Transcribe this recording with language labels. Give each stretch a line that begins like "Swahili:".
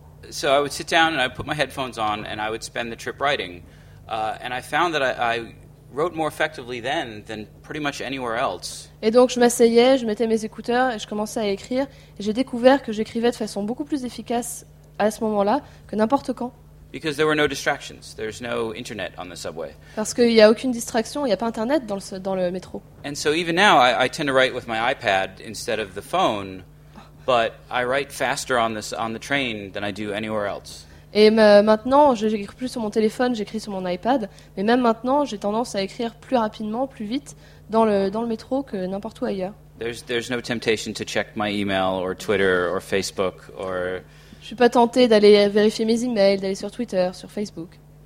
English: So I would sit down and I put my headphones on and I would spend the trip writing. And I found that I wrote more effectively then than pretty much anywhere else.
French: Et donc je m'asseyais, je mettais mes écouteurs et je commençais à écrire. Et j'ai découvert que j'écrivais de façon beaucoup plus efficace à ce moment-là que n'importe quand.
English: Because there were no distractions. There's no internet on the subway.
French: Parce qu'il y a aucune distraction, il y a pas internet dans le métro.
English: And so even now I tend to write with my iPad instead of the phone, but I write faster on the train than I do anywhere else.
French: Et maintenant, j'écris plus sur mon téléphone, j'écris sur mon iPad, mais même maintenant, j'ai tendance à écrire plus rapidement, plus vite dans le métro que n'importe où ailleurs.
English: There's no temptation to check my email or Twitter or Facebook or
French: je ne suis pas tenté d'aller vérifier mes emails, d'aller sur Twitter, sur Facebook.